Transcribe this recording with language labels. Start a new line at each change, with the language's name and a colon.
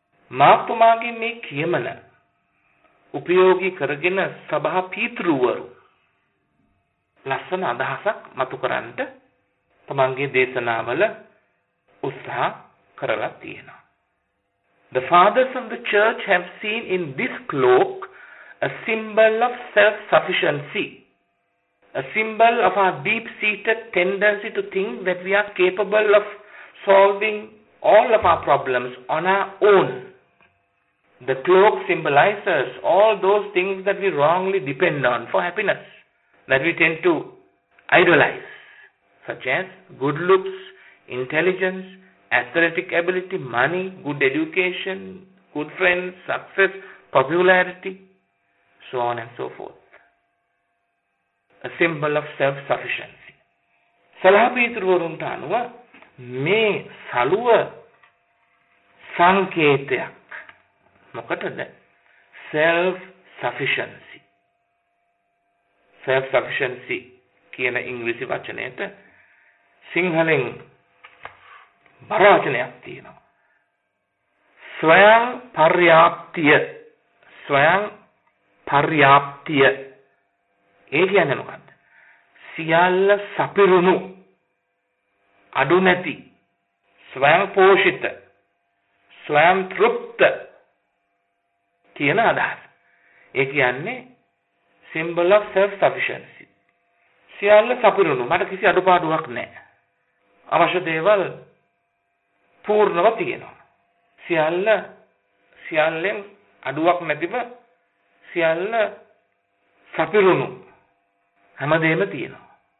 Sinhala: මාතුමාගේ මේ කියමන උපයෝගී කරගෙන සභා පීතෘවරු ලස්සන අදහසක් මතු කරන්න තමන්ගේ දේශනාවල උත්සාහ කරලා තියෙනවා.
English: The fathers of the church have seen in this cloak a symbol of self-sufficiency. A symbol of our deep-seated tendency to think that we are capable of solving all of our problems on our own. The cloak symbolizes all those things that we wrongly depend on for happiness, that we tend to idolize, such as good looks, intelligence, athletic ability, money, good education, good friends, success, popularity, so on and so forth. A symbol of self-sufficiency.
Sinhala: සලහපීතෘවරුන්ට අනුව මේ සලුව සංකේතයක් මොකටද?
English: Self-sufficiency. Self-sufficiency
Sinhala: කියන ඉංග්‍රීසි වචනයට සිංහලෙන් බර වචනයක් තියෙනවා. ස්වයං පර්‍යාප්තිය. ස්වයං පර්‍යාප්තිය. ඒ කියන්නේ මොකක්ද? සියල්ල සපිරුණු අඩු නැති ස්වයං පෝෂිත ස්වයං තෘප්ත කියන අදහස. ඒ කියන්නේ
English: symbol of self-sufficiency.
Sinhala: සියල්ල සපිරුණු, මට කිසි අඩුපාඩුවක් නැහැ, අවශ්‍ය දේවල් පූර්ණව තියෙනවා, සියල්ල සියල්ලෙන් අඩුවක් නැතිව සියල්ල සපිරුණු හැමදේම තියෙනවා.